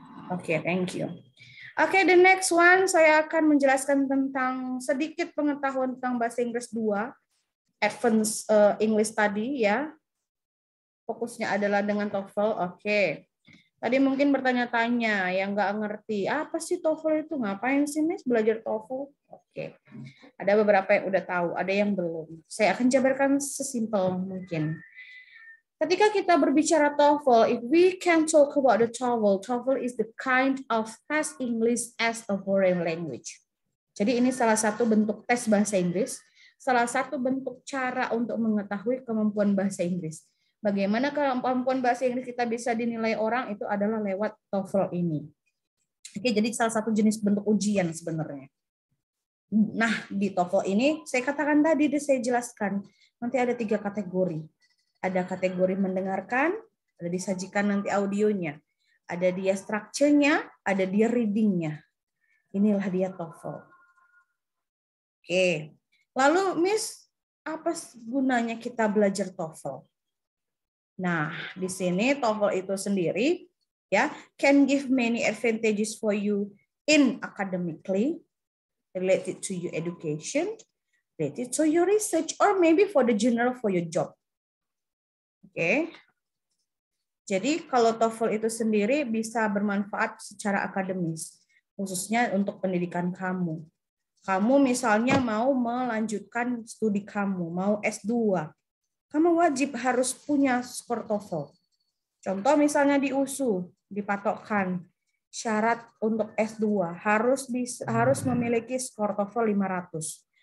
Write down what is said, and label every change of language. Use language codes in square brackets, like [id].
[en] Oke, okay, thank you. [id] Oke, okay, [en] the next one [id] saya akan menjelaskan tentang sedikit pengetahuan tentang bahasa Inggris 2, Advanced English Study ya. Fokusnya adalah dengan TOEFL. Oke. Okay. Tadi mungkin bertanya-tanya yang enggak ngerti, apa sih TOEFL itu? Ngapain sih Miss belajar TOEFL? Oke. Okay. Ada beberapa yang udah tahu, ada yang belum. Saya akan jabarkan sesimpel mungkin. Ketika kita berbicara TOEFL, [en] if we can talk about the TOEFL, TOEFL is the kind of test English as a foreign language. [id] Jadi ini salah satu bentuk tes bahasa Inggris, salah satu bentuk cara untuk mengetahui kemampuan bahasa Inggris. Bagaimana kemampuan bahasa Inggris kita bisa dinilai orang itu adalah lewat TOEFL ini. Oke, jadi salah satu jenis bentuk ujian sebenarnya. Nah, di TOEFL ini saya katakan tadi, saya jelaskan, nanti ada tiga kategori. Ada kategori mendengarkan, ada disajikan nanti audionya, ada dia structure-nya, ada dia reading-nya. Inilah dia TOEFL. Oke. Lalu Miss, apa gunanya kita belajar TOEFL? Nah, di sini TOEFL itu sendiri ya [en] can give many advantages for you in academically related to your education, related to your research or maybe for the general for your job. [id] Oke. Jadi kalau TOEFL itu sendiri bisa bermanfaat secara akademis, khususnya untuk pendidikan kamu. Kamu misalnya mau melanjutkan studi kamu, mau S2. Kamu wajib harus punya skor TOEFL. Contoh misalnya di USU, dipatokkan syarat untuk S2 harus memiliki skor TOEFL 500.